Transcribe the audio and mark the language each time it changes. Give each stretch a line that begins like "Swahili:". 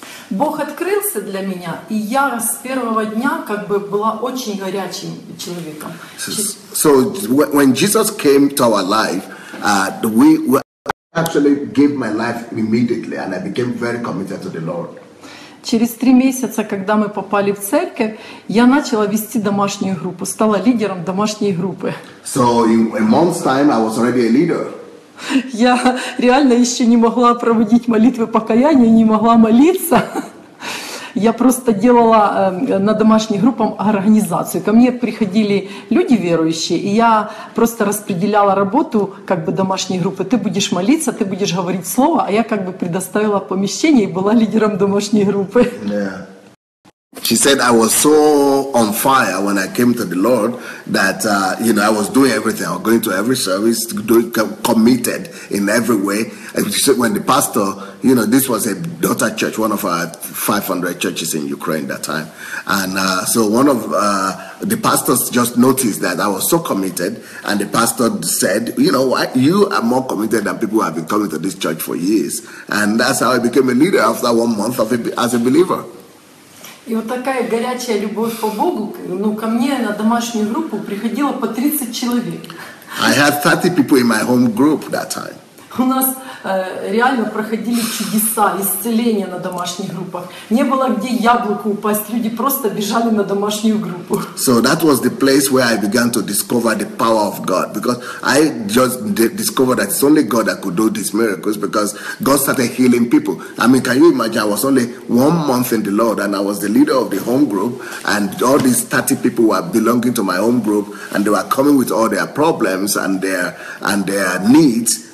Russian: Бог открылся для меня, и я с первого дня была очень горячим человеком.
English: So when Jesus came to our life, I actually gave my life immediately, and I became very committed to the Lord.
Russian: Через три месяца, когда мы попали в церковь, я начала вести домашнюю группу, стала лидером домашней группы.
English: So in a month's time, I was already a leader.
Russian: Я реально еще не могла проводить молитвы покаяния, не могла молиться. Я просто делала на домашней группе организацию. Ко мне приходили люди верующие, и я просто распределяла работу домашней группы. Ты будешь молиться, ты будешь говорить слово, а я предоставила помещение и была лидером домашней группы.
English: Yeah. She said, I was so on fire when I came to the Lord that, you know, I was doing everything. I was going to every service, committed in every way. And she said, when the pastor, you know, this was a daughter church, one of our 500 churches in Ukraine that time. And so one of the pastors just noticed that I was so committed. And the pastor said, you know what, you are more committed than people who have been coming to this church for years. And that's how I became a leader after 1 month of as a believer.
Russian: И вот такая горячая любовь по Богу, ну, ко мне на домашнюю группу приходило по 30 человек.
English: I had 30 people in my home group that time.
Russian: У нас реально проходили чудеса, исцеления на домашних группах. Не было где яблоку упасть, люди просто бежали на домашнюю группу.
English: So that was the place where I began to discover the power of God, because I just discovered that it's only God that could do these miracles, because God started healing people. I mean, can you imagine? I was only 1 month in the Lord, and I was the leader of the home group, and all these 30 people were belonging to my home group, and they were coming with all their problems and their needs.